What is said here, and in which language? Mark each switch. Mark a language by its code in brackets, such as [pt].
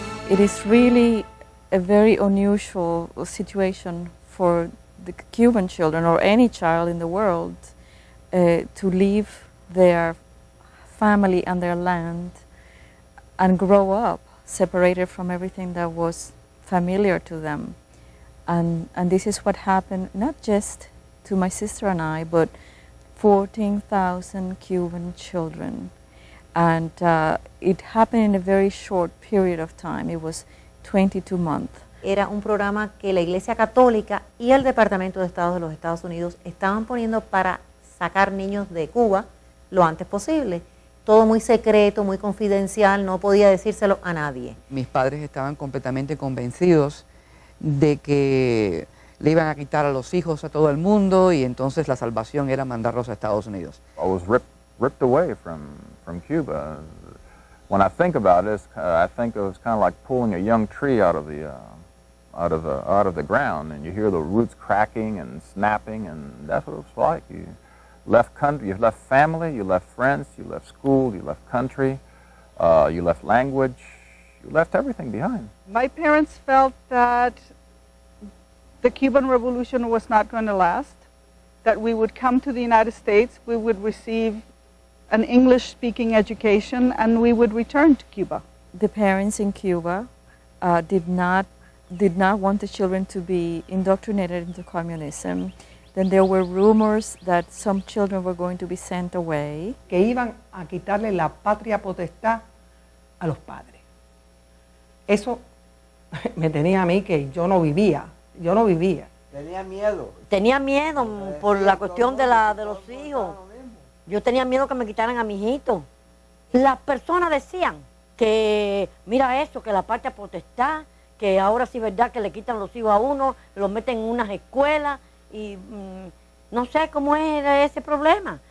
[en] It is really a very unusual situation for the Cuban children or any child in the world to leave their family and their land and grow up separated from everything that was familiar to them. And this is what happened not just to my sister and I, but 14,000 Cuban children. And it happened in a very short period of time. It was 22 months. [es] Era un programa que la Iglesia Católica y el Departamento de Estado de los Estados Unidos estaban poniendo para sacar niños de Cuba lo antes posible. Todo muy secreto, muy confidencial, no podía decírselo a nadie. Mis padres estaban completamente convencidos de que le iban a quitar a los hijos a todo el mundo y entonces la salvación era mandarlos a Estados Unidos. [en] I was ripped away from Cuba. When I think about it, I think it was kind of like pulling a young tree out of the ground, and you hear the roots cracking and snapping, and that's what it was like. You left country, you left family, you left friends, you left school, you left country, you left language, you left everything behind. My parents felt that the Cuban Revolution was not going to last, that we would come to the United States, we would receive an English-speaking education, and we would return to Cuba. The parents in Cuba did not want the children to be indoctrinated into communism. Then there were rumors that some children were going to be sent away. [es] Que iban a quitarle la patria potestad a los padres. Eso me tenía a mí que yo no vivía. Tenía miedo. Tenía miedo por la cuestión de los hijos. Yo tenía miedo que me quitaran a mi hijito. Las personas decían que mira eso, que la patria potestad, que ahora sí es verdad que le quitan los hijos a uno, los meten en unas escuelas y no sé cómo era ese problema.